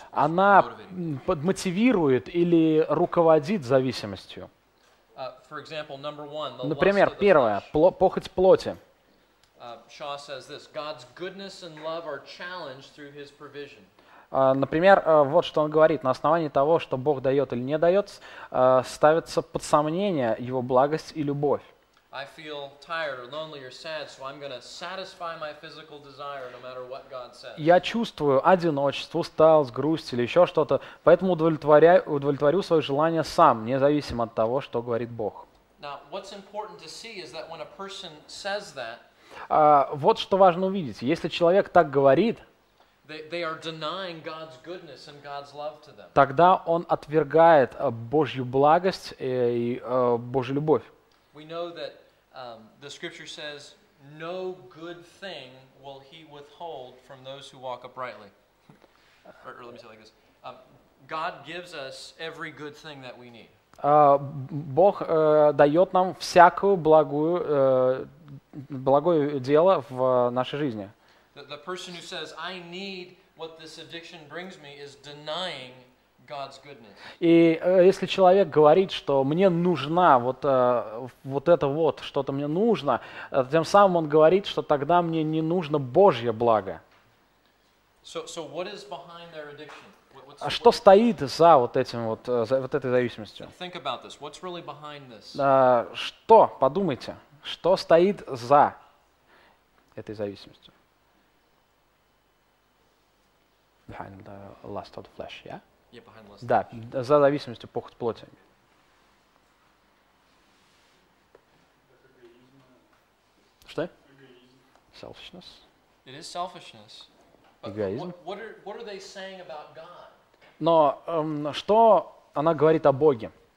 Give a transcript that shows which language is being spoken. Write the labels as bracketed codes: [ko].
[ru] Она подмотивирует или руководит зависимостью. [en] For example, number one, the [ru] Например, [en] lust of [ru] первое, [en] the flesh. [ru] Похоть плоти. [en] Shaw says this: God's goodness and love are challenged through His provision. [ru] Например, вот что он говорит: на основании того, что Бог дает или не дает, ставится под сомнение Его благость и любовь. [en] I feel tired or lonely or sad, so I'm going to satisfy my physical desire no matter what God says. [ru] Я чувствую одиночество, усталость, грусть или еще что-то, поэтому удовлетворю свое желание сам, независимо от того, что говорит Бог. [en] Now, what's important to see is that when a person says that, [ru] вот что важно увидеть. Если человек так говорит, [en] they are denying God's goodness and God's love to them. [ru] Тогда он отвергает Божью благость и Божью любовь. [en] We know that the scripture says no good thing will he withhold from those who walk uprightly. Or let me say it like this. God gives us every good thing that we need. [ru] Бог дает нам всякую благое дело в нашей жизни. [en] The person who says I need what this addiction brings me is denying God's goodness. [ru] И если человек говорит, что мне нужна вот, вот это вот, что-то мне нужно, тем самым он говорит, что тогда мне не нужно Божье благо. [en] So what is behind their addiction? [ru] А что стоит за вот этим вот, за вот этой зависимостью? [en] Think about this. What's really behind this? [ru] Что, подумайте, что стоит за этой зависимостью? [en] Behind the lust of the flesh, yeah? [ru] Да, за зависимостью похоть плоти. Что? [en] Selfishness. It is selfishness. [ru] Эгоизм. [en] What are they saying about God? [ru] Но что она говорит о Боге?